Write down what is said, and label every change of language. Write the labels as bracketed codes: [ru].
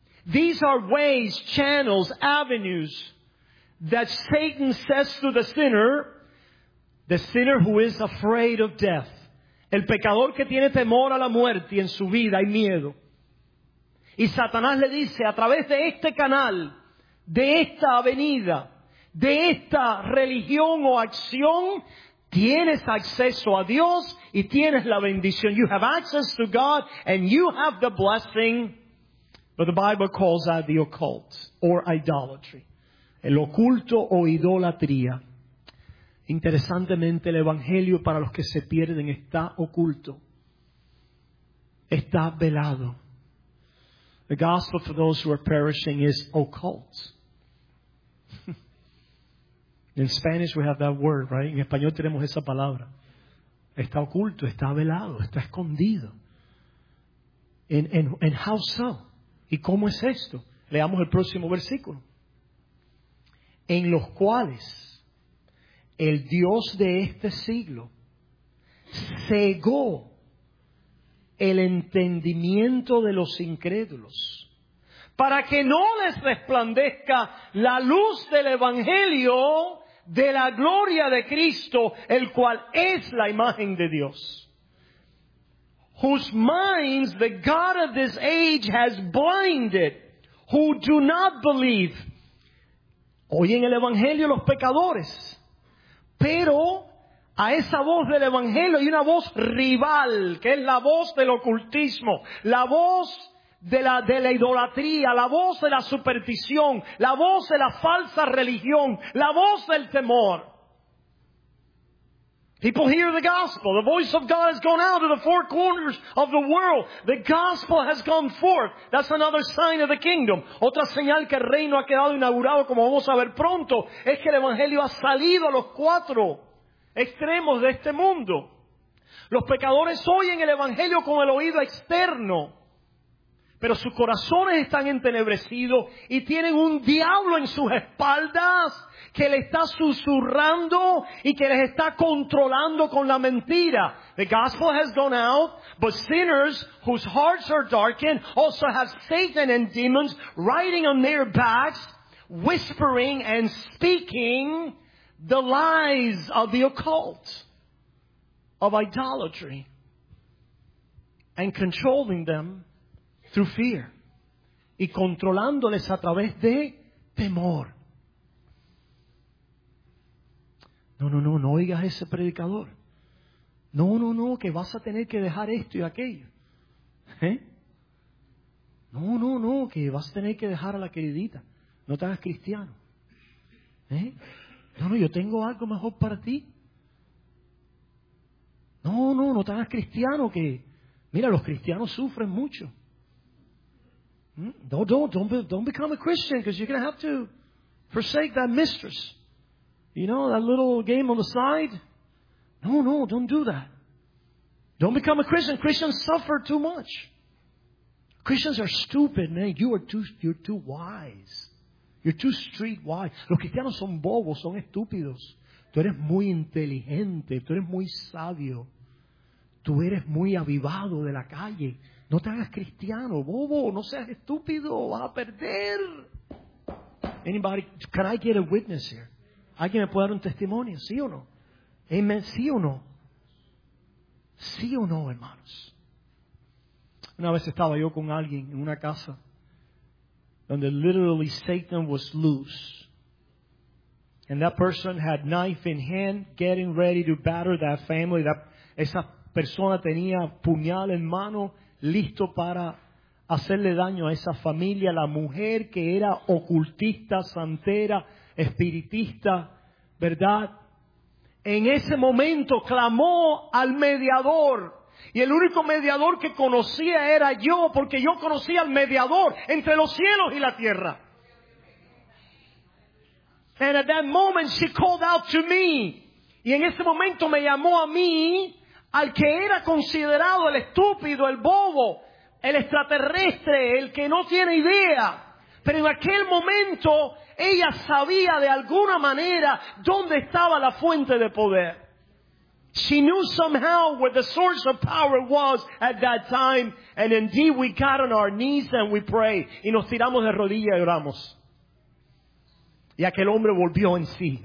[en] These are ways, channels, avenues that Satan says to the sinner who is afraid of death, [es] el pecador que tiene temor a la muerte y en su vida hay miedo. Y Satanás le dice, a través de este canal, de esta avenida, de esta religión o acción, tienes acceso a Dios y tienes la bendición. [en] You have access to God and you have the blessing. But the Bible calls that the occult or idolatry. [es] El oculto o idolatría. Interesantemente, el Evangelio para los que se pierden está oculto. Está velado. [en] The gospel for those who are perishing is occult. In Spanish we have that word, right? [es] En español tenemos esa palabra. Está oculto, está velado, está escondido. [en] And how so? [es] ¿Y cómo es esto? Leamos el próximo versículo. En los cuales el Dios de este siglo cegó el entendimiento de los incrédulos, para que no les resplandezca la luz del Evangelio de la gloria de Cristo, el cual es la imagen de Dios. [en] Whose minds the God of this age has blinded, who do not believe. [es] Oyen el Evangelio los pecadores, pero a esa voz del Evangelio hay una voz rival, que es la voz del ocultismo, la voz de la idolatría, la voz de la superstición, la voz de la falsa religión, la voz del temor. [en] People hear the gospel. The voice of God has gone out to the four corners of the world. The gospel has gone forth. That's another sign of the kingdom. [es] Otra señal que el reino ha quedado inaugurado, como vamos a ver pronto, es que el Evangelio ha salido a los cuatro extremos de este mundo. Los pecadores oyen el Evangelio con el oído externo, pero sus corazones están entenebrecidos y tienen un diablo en sus espaldas que les está susurrando y que les está controlando con la mentira. [en] The gospel has gone out, but sinners whose hearts are darkened also have Satan and demons riding on their backs, whispering and speaking the lies of the occult, of idolatry, and controlling them through fear, [es] y controlándoles a través de temor. No oigas ese predicador. No, que vas a tener que dejar esto y aquello. No, que vas a tener que dejar a la queridita. No te hagas cristiano. No, yo tengo algo mejor para ti. No te hagas cristiano, que mira, los cristianos sufren mucho. [en] Don't become a Christian because you're going to have to forsake that mistress. You know, that little game on the side? No, don't do that. Don't become a Christian. Christians suffer too much. Christians are stupid, man. You're too wise. You're too street wise. [es] Los cristianos son bobos, son estúpidos. Tú eres muy inteligente. Tú eres muy sabio. Tú eres muy avivado de la calle. No te hagas cristiano, bobo. No seas estúpido. Vas a perder. [en] Anybody, can I get a witness here? [es] ¿Alguien me puede dar un testimonio? ¿Sí o no? Amen. ¿Sí o no? ¿Sí o no, hermanos? Una vez estaba yo con alguien en una casa donde [en] literally Satan was loose. And that person had knife in hand getting ready to batter that family. [es] Esa persona tenía puñal en mano listo para hacerle daño a esa familia. La mujer que era ocultista, santera, espiritista, ¿verdad? En ese momento clamó al mediador. Y el único mediador que conocía era yo, porque yo conocía al mediador entre los cielos y la tierra. [en] And at that moment she called out to me. [es] Y en ese momento me llamó a mí, al que era considerado el estúpido, el bobo, el extraterrestre, el que no tiene idea. Pero en aquel momento ella sabía de alguna manera dónde estaba la fuente de poder. [en] She knew somehow where the source of power was at that time, and indeed we got on our knees and we prayed. [es] Y nos tiramos de rodillas y oramos. Y aquel hombre volvió en sí.